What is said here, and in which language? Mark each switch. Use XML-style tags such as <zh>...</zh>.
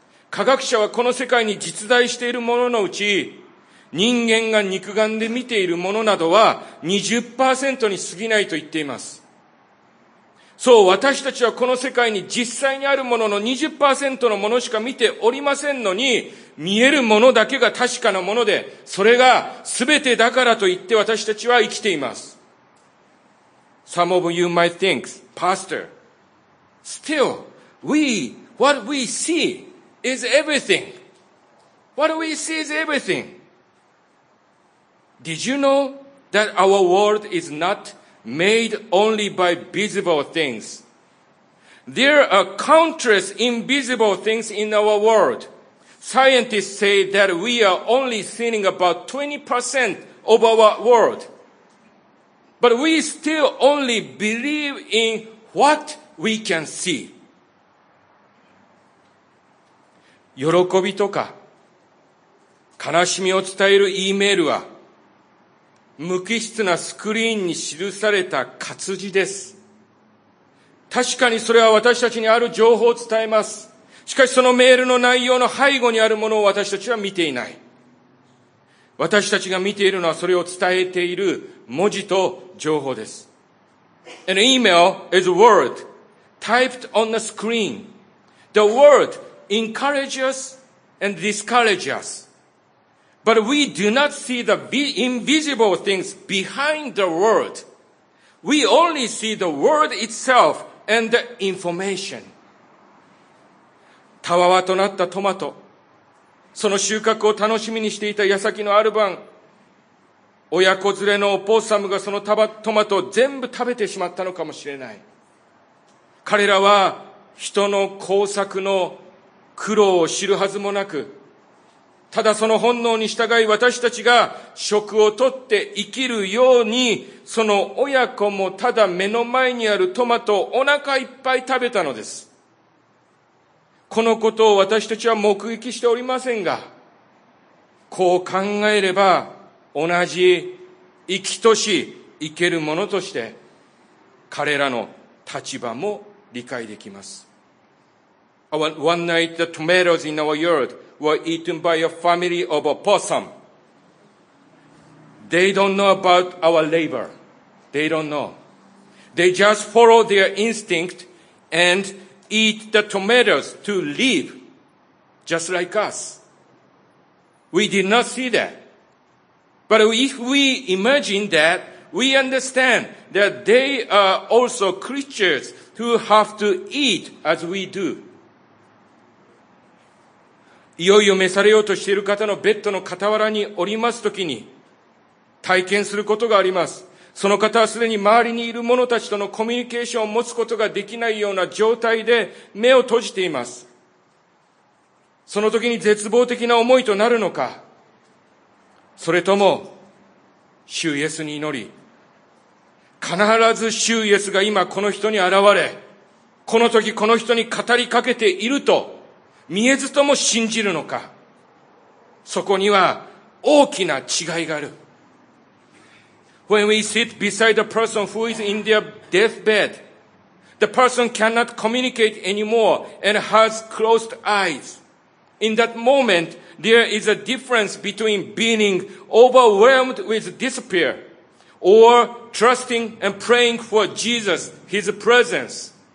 <ja>科学者はこの世界に実在しているもののうち、人間が肉眼で見ているものなどは 20% に過ぎないと言っています。そう、私たちはこの世界に実際にあるものの 20% のものしか見ておりませんのに、見えるものだけが確かなもので、それが全てだからと言って私たちは生きています。</ja> <en>Some of you might think, Pastor, still, what we see is everything. What we see is everything. Did you know that our world is notmade only by visible things. There are countless invisible things in our world. Scientists say that we are only seeing about 20% of our world. But we still only believe in what we can see.</en> <ja>喜びとか悲しみを伝える E メールは無機質なスクリーンに記された活字です。確かにそれは私たちにある情報を伝えます。しかしそのメールの内容の背後にあるものを私たちは見ていない。私たちが見ているのはそれを伝えている文字と情報です。</ja> <en>An email is a word typed on the screen. The word encourages us and discourages us. But we do not see the invisible things behind the word. We only see the word itself and the information.</en> <ja>たわわとなったトマト、その収穫を楽しみにしていた矢先のある晩、親子連れのオポッサムがそのトマトを全部食べてしまったのかもしれない。彼らは人の工作の苦労を知るはずもなく、ただその本能に従い私たちが食をとって生きるように、その親子もただ目の前にあるトマトをお腹いっぱい食べたのです。このことを私たちは目撃しておりませんが、こう考えれば同じ生きとし生けるものとして彼らの立場も理解できます。</ja> <en>One night the tomatoes in our yardWere eaten by a family of a possum. They don't know about our labor. They don't know. They just follow their instinct and eat the tomatoes to live, just like us. We did not see that. But if we imagine that, we understand that they are also creatures who have to eat as we do.</en> <ja>いよいよ召されようとしている方のベッドの傍らにおりますときに体験することがあります。その方はすでに周りにいる者たちとのコミュニケーションを持つことができないような状態で目を閉じています。そのときに絶望的な思いとなるのか、それとも主イエスに祈り、必ず主イエスが今この人に現れ、このときこの人に語りかけていると見えずとも信じるのか。そこには大きな違いがある。</ja> <en>When we sit beside a person who is in their deathbed, the person cannot communicate anymore and has closed eyes. In that moment, there is a difference between being overwhelmed with despair or trusting and praying for Jesus, His presence.</en>